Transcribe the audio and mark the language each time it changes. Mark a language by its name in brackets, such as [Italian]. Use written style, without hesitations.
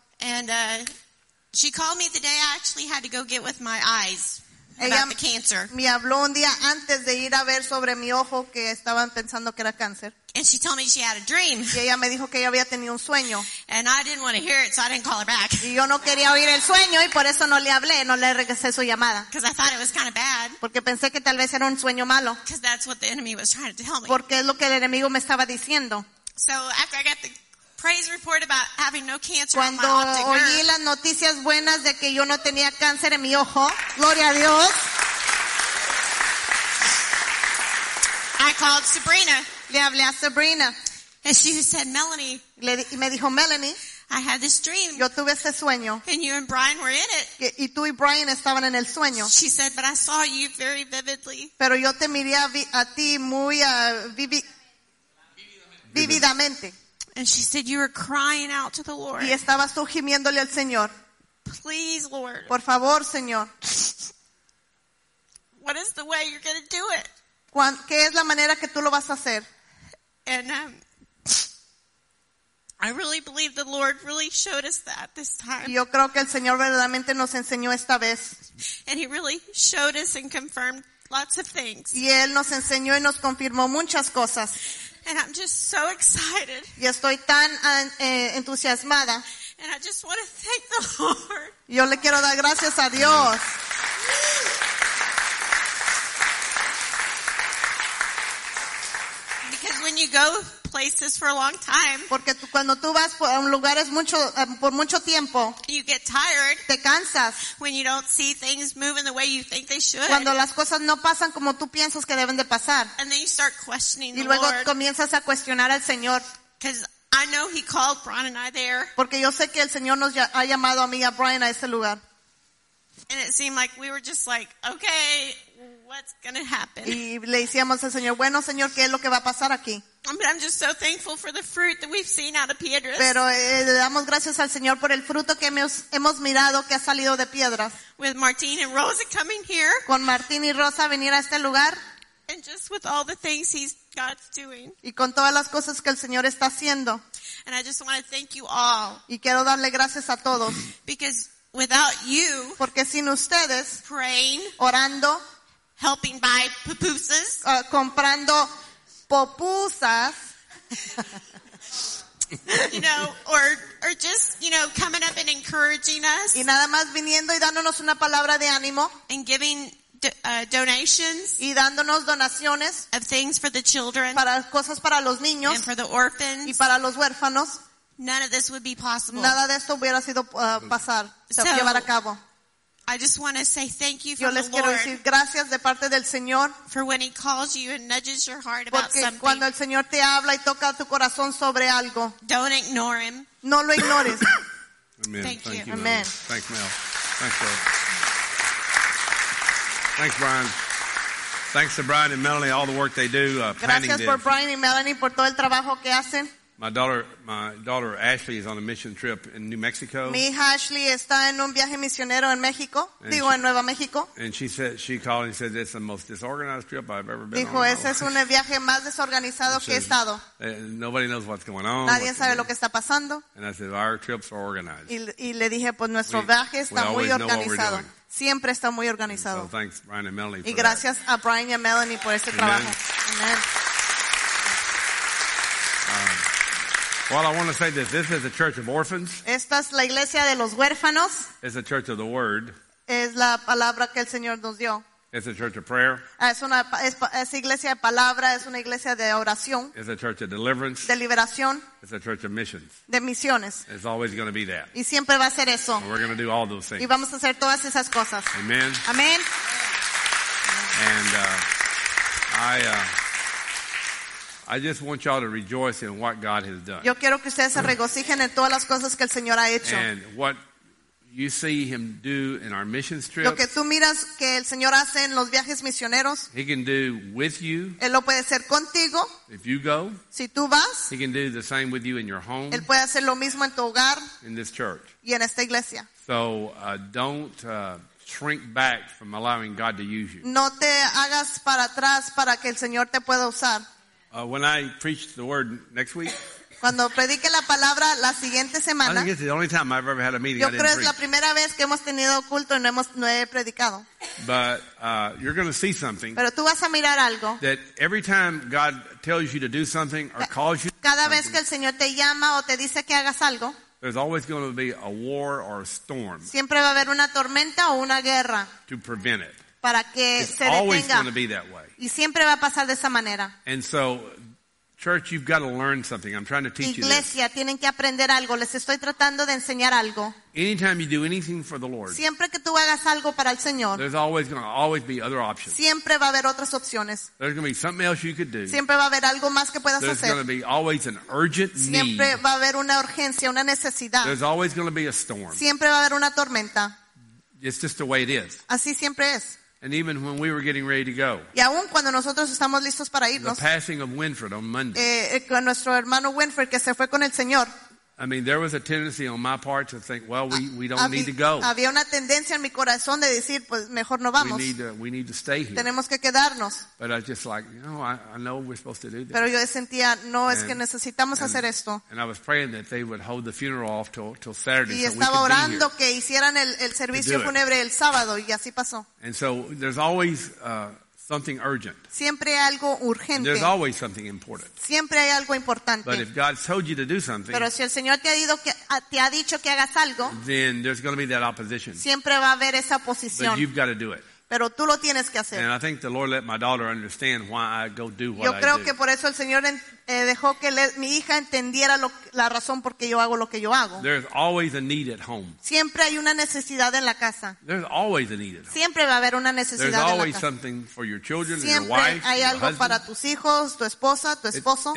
[English] And she called me the day I actually had to go get with my eyes about the cancer. [Spanish] Me habló un día antes de ir a ver sobre mi ojo que estaban pensando que era cáncer. [English] And she told me she had a dream. [Spanish] Y ella me dijo que ella había tenido un sueño. [English] And I didn't want to hear it, so I didn't call her back. [Spanish] Y yo no quería oír el sueño y por eso no le hablé, no le regresé su llamada. [English] Because I thought it was kind of bad. [Spanish] Porque pensé que tal vez era un sueño malo. [English] Because that's what the enemy was trying to tell me. [Spanish] Porque es lo que el enemigo me estaba diciendo. [English] So after I got the praise report about having no cancer [Spanish] cuando [English] in my optic nerve. [Spanish] Cuando oí las noticias buenas de que yo no tenía cáncer en mi ojo, gloria a Dios. [English] I called Sabrina. [Spanish] Le hablé a Sabrina. [English] And she said, Melanie. [Spanish] Y me dijo, Melanie. [English] I had this dream. [Spanish] Yo tuve ese sueño. [English] And you and Brian were in it. [Spanish] Y tú y Brian estaban en el sueño. [English] She said, but I saw you very vividly. [Spanish] Pero yo te miré a ti muy vividamente. [English] And she said you were crying out to the Lord. [Spanish] Y estabas tú gimiéndole al Señor. [English] Please, Lord. [Spanish] Por favor, Señor. [English] What is the way you're going to do it? [Spanish] ¿Qué es la manera que tú lo vas a hacer? [English] And I really believe the Lord really showed us that this time. [Spanish] Yo creo que el Señor verdaderamente nos enseñó esta vez. [English] And he really showed us and confirmed lots of things. [Spanish] Y él nos enseñó y nos confirmó muchas cosas. [English] And I'm just so excited. [Spanish] Y estoy tan entusiasmada. [English] And I just want to thank the Lord. [Spanish] Yo le quiero dar gracias a Dios. [English] Because when you go places for a long time. [Spanish] Porque tú, cuando tú vas por lugares mucho, por mucho tiempo, [English] you get tired. [Spanish] Te cansas. [English] When you don't see things moving the way you think they should. [Spanish] Cuando las cosas no pasan como tú piensas que deben de pasar. [English] And then you start questioning the Lord. [Spanish] Y luego comienzas a cuestionar al Señor. [English] Because I know He called Brian and I there. [Spanish] Porque yo sé que el Señor nos ha llamado a mí y a Brian a ese lugar. [English] And it seemed like we were just like, okay, what's going to happen? [Spanish] Y le decíamos al Señor, bueno, Señor, ¿qué es lo que va a pasar aquí? [English] But I'm just so thankful for the fruit that we've seen out of Piedras. [Spanish] Pero le damos gracias al Señor por el fruto que hemos mirado que ha salido de Piedras. [English] With Martin and Rosa coming here. [Spanish] Con Martín y Rosa venir a este lugar. [English] And just with all the things God's doing. [Spanish] Y con todas las cosas que el Señor está haciendo. [English] And I just want to thank you all. [Spanish] Y quiero darle gracias a todos. [English] Because without you, [Spanish] porque sin ustedes, [English] praying, [Spanish] orando, [English] helping buy pupusas, [Spanish] comprando pupusas, [English] you know, or just, you know, coming up and encouraging us, [Spanish] y nada más viniendo y dándonos una palabra de ánimo, [English] and giving donations, [Spanish] y dándonos donaciones, [English] of things for the children, [Spanish] para cosas para los niños, [English] and for the orphans, [Spanish] y para los huérfanos. [English] None of this would be possible. [Spanish] Nada de esto hubiera sido pasar, se so, llevar a cabo. [English] I just want to say thank you from the Lord. [Spanish] Yo les quiero decir gracias de parte del Señor. [English] For when He calls you and nudges your heart about something. [Spanish] Porque cuando el Señor te habla y toca tu corazón sobre algo. [English] Don't ignore Him. [Spanish] No lo ignores. [English] Amen. Thank you. Amen. Thank you, Mel. Thanks, Mel. Thanks, Brian. Thanks to Brian and Melanie, all the work they do. [Spanish] Gracias por Brian y Melanie por todo el trabajo que hacen. [English] My daughter Ashley is on a mission trip in New Mexico. [Spanish] Mi hija Ashley está en un viaje misionero en México, en Nueva México. [English] And she called and said it's the most disorganized trip I've ever been [Spanish] dijo, [English] on. [Spanish] Dijo, ese es un viaje más desorganizado que he estado. [English] Nobody knows what's going on. [Spanish] Nadie sabe lo que está pasando. [English] And I said our trips are organized. [Spanish] Y le dije, pues nuestro viaje está muy organizado. Siempre está muy organizado. [English] And so thanks Brian and Melanie. [Spanish] Y gracias [English] that. [Spanish] A Brian y a Melanie por este [English] Amen. [Spanish] Trabajo. [English] Amen. Well, I want to say this. This is a church of orphans. [Spanish] Esta es la iglesia de los huérfanos. [English] It's a church of the Word. [Spanish] Es la palabra que el Señor nos dio. [English] It's a church of prayer. [Spanish] Es iglesia de palabra. Es una iglesia de oración. [English] It's a church of deliverance. [Spanish] De liberación. [English] It's a church of missions. [Spanish] De misiones. [English] It's always going to be that. [Spanish] Y siempre va a ser eso. [English] And we're going to do all those things. [Spanish] Y vamos a hacer todas esas cosas. [English] Amen. [Spanish] Amen. [English] And I just want y'all to rejoice in what God has done. [Spanish] Yo quiero que ustedes se regocijen en todas las cosas que el Señor ha hecho. [English] And what you see Him do in our missions trip. [Spanish] Lo que tú miras que el Señor hace en los viajes misioneros. [English] He can do with you. [Spanish] Él lo puede hacer contigo. [English] If you go. [Spanish] Si tú vas. [English] He can do the same with you in your home. [Spanish] Él puede hacer lo mismo en tu hogar. [English] In this church. [Spanish] Y en esta iglesia. [English] So don't shrink back from allowing God to use you. [Spanish] No te hagas para atrás para que el Señor te pueda usar. [English] When I preach the word next week, [Spanish] cuando predique la palabra la siguiente semana, [English] I think it's the only time I've ever had a meeting [Spanish] yo [English] I didn't [Spanish] es la primera [English] preach. [Spanish] Vez que hemos tenido culto y no he predicado. [English] But you're going to see something. [Spanish] Pero tú vas a mirar algo. [English] That every time God tells you to do something or calls you, [Spanish] cada vez que el Señor te llama o te dice que hagas algo, [English] there's always going to be a war or a storm. [Spanish] Siempre va a haber una tormenta o una guerra. [English] To prevent it. [Spanish] Para que [English] it's [Spanish] se detenga. [English] Always going to be that way. [Spanish] Y siempre va a pasar de esa manera. [English] And so, church, you've got to learn something. I'm trying to teach [Spanish] Iglesia, [English] you this. [Spanish] Tienen que aprender algo. Les estoy tratando de enseñar algo. [English] Anytime you do anything for the Lord, [Spanish] siempre que tú hagas algo para el Señor, [English] there's always going to always be other options. [Spanish] Siempre va a haber otras opciones. [English] There's going to be something else you could do. [Spanish] Siempre va a haber algo más que puedas [English] there's [Spanish] hacer. [English] There's going to be always an urgent [Spanish] siempre [English] need. [Spanish] Siempre va a haber una urgencia, una necesidad. [English] There's always going to be a storm. [Spanish] Siempre va a haber una tormenta. [English] It's just the way it is. [Spanish] Así siempre es. [English] And even when we were getting ready to go. [Spanish] Y aun cuando nosotros estamos listos para irnos. [English] The passing of Winfred on Monday. [Spanish] Con nuestro hermano Winfred que se fue con el Señor. [English] I mean, there was a tendency on my part to think, well, we don't need to go. [Spanish] Había una tendencia en mi corazón de decir, pues mejor no vamos. [English] We need to stay here. [Spanish] Tenemos que quedarnos. [English] But I just like, you know, I know we're supposed to do this. [Spanish] Pero yo sentía, no, es que necesitamos hacer esto. [English] And I was praying that they would hold the funeral off till Saturday. [Spanish] Y estaba orando que hicieran el servicio fúnebre el sábado y así pasó. [English] And so there's always something urgent. [Spanish] Siempre hay algo urgente. [English] And there's always something important. [Spanish] Siempre hay algo importante. [English] But if God told you to do something, [Spanish] pero si el Señor te ha dicho que hagas algo, [English] then there's going to be that opposition. [Spanish] Siempre va a haber esa oposición. [English] But you've got to do it. [Spanish] Pero tú lo tienes que hacer. [English] And I think the Lord let my daughter understand why I go do what I do. [Spanish] Yo creo que por eso el Señor dejó que mi hija entendiera la razón por qué yo hago lo que yo hago. [English] There's always a need at home. [Spanish] Siempre hay una necesidad en la casa. [English] There's always a need at home. [Spanish] Siempre va a haber una necesidad en la casa. [English] There's always something for your children, [Spanish] siempre [English] and your wife, and your husband. [Spanish] Siempre hay algo para tus hijos, tu esposa, tu esposo.